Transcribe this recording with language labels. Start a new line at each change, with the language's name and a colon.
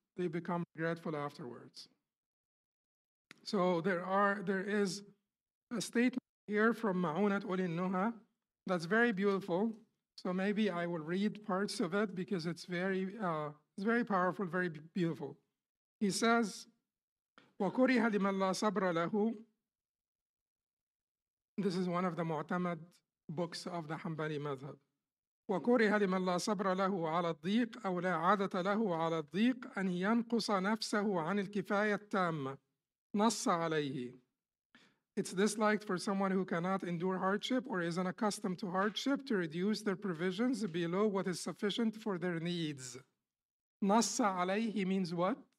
English: They become regretful afterwards. So there is a statement here from Ma'unat Ulinnuha that's very beautiful. So maybe I will read parts of it, because it's very powerful, very beautiful. He says,
Arabic: وَكُرِهَ لِمَنْ لَا صَبْرَ لَهُ.
English: This is one of the Mu'tamad books of the Hanbali Madhab.
Arabic: وَكُرِهَ لِمَنْ لَا صَبْرَ لَهُ عَلَى الضِّيقِ أَوْ لَا عَادَةَ لَهُ عَلَى الضِّيقِ أَنْ يَنْقُصَ نَفْسَهُ عَنِ الْكِفَايَةِ التَّامَّةِ نَصَّ عَلَيْهِ.
English: It's disliked for someone who cannot endure hardship or is unaccustomed to hardship to reduce their provisions below what is sufficient for their needs.
Arabic: نَصَّ عَلَيْهِ
English: means what?